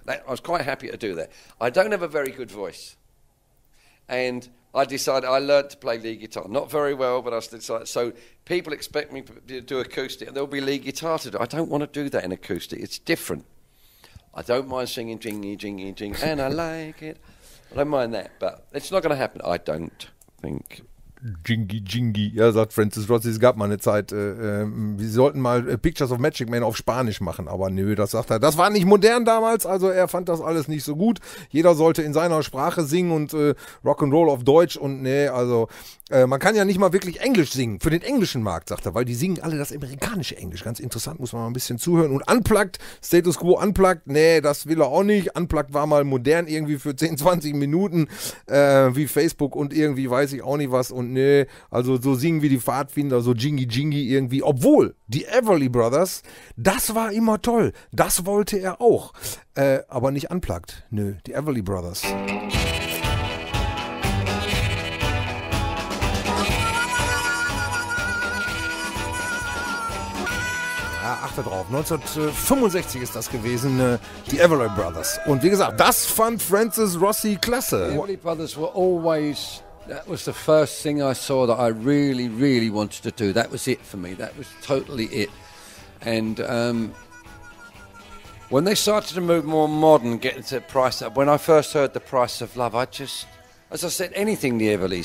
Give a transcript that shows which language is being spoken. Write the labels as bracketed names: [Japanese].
[English] I was quite happy to do that. I don't have a very good voice. And I decided I learned to play lead guitar. Not very well, but I decided. So people expect me to do acoustic, and there'll be lead guitar to do. I don't want to do that in acoustic. It's different. I don't mind singing jingy, jingy, jing, and I like it. I don't mind that, but it's not going to happen, I don't think. [German] Jingy, jingy, ja, sagt Francis Rossi, es gab mal eine Zeit, wir sollten mal Pictures of Magic Man auf Spanisch machen, aber nö, das sagt er, das war nicht modern damals, also er fand das alles nicht so gut, jeder sollte in seiner Sprache singen und Rock'n'Roll auf Deutsch und nee, also man kann ja nicht mal wirklich Englisch singen, für den englischen Markt, sagt er, weil die singen alle das amerikanische Englisch, ganz interessant, muss man mal ein bisschen zuhören und Unplugged, Status Quo Unplugged, nee, das will er auch nicht, Unplugged war mal modern irgendwie für 10, 20 Minuten, wie Facebook und irgendwie weiß ich auch nicht was und nee, also so singen wie die Pfadfinder, so Jingy Jingy irgendwie. Obwohl, die Everly Brothers, das war immer toll. Das wollte er auch. Aber nicht unplugged. Nö, die Everly Brothers. Ja, achte drauf. 1965 ist das gewesen, die Everly Brothers. Und wie gesagt, das fand Francis Rossi klasse. [English] The Everly Brothers were always, that was the first thing I saw that I really, really wanted to do. That was it for me. That was totally it. And when they started to move more modern, getting to Price of Love, when I first heard The Price of Love, I just, as I said, anything the Everlys.